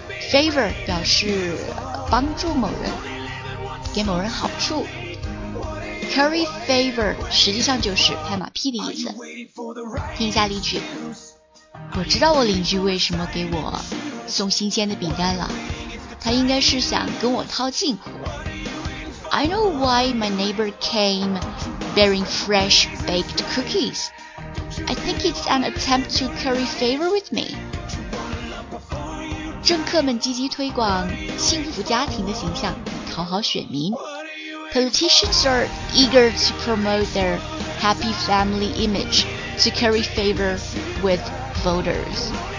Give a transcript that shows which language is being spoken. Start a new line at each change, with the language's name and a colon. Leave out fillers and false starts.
Chinese: Favor 表示帮助某人，给某人好处。 Curry favor 实际上就是拍马屁的意思。听一下例句，我知道我邻居为什么给我送新鲜的饼干了，他应该是想跟我套近乎。
English: I know why my neighbor came bearing fresh baked cookiesI think it's an attempt to curry favor with me.
Chinese: 政客们积极推广幸福家庭的形象，讨好选民。
English: Politicians are eager to promote their happy family image to curry favor with voters.